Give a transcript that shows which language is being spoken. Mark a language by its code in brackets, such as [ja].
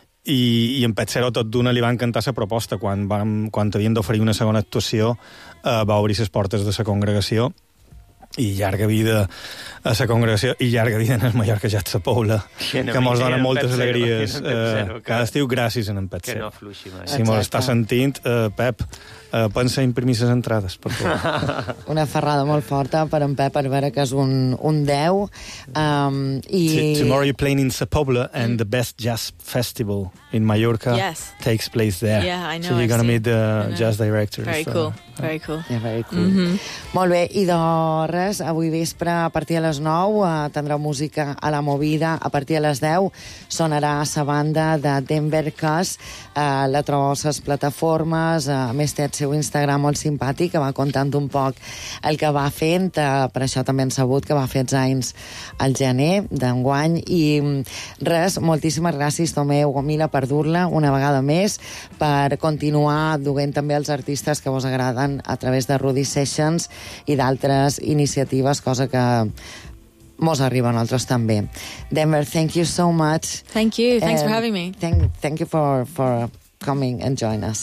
[ca] I en Pep Cero tot d'una li va encantar la proposta. Quan havien d'oferir una segona actuació, va obrir les portes de la congregació, i llarga vida a la congregació i llarga vida en el Mallorca Jazz Sa Pobla, que mos dona moltes alegries cada estiu. Gràcies a en Pep Cero. Que no fluixi mai. Si mos està sentint, Pep, pensa imprimir les entrades per tu. Una ferrada molt forta per en Pep, per veure que és un 10. [en] Tomorrow you're playing in Sa Pobla and the best jazz festival in Mallorca takes place there. Yeah, I know. So you're going to meet the jazz director. Very cool. Very cool. Yeah, very cool. Mm-hmm. [ca] Molt bé, i res, avui vespre a partir de les 9 tindreu música a la movida. A partir de les 10 sonarà sa banda de Denver Cass. La trobeu a les plataformes, més té el seu Instagram molt simpàtic, que va contant un poc el que va fent, per això també hem sabut que va fer els anys al gener d'enguany. I res, moltíssimes gràcies, Tomeu Gomila, per dur-la una vegada més, per continuar duent també els artistes que vos agraden a través de Rudy Sessions i d'altres iniciatives, cosa que mos arriba a nosaltres també. [en] Denver, thank you so much. Thank you. Thanks for having me. Thank you for coming and join us.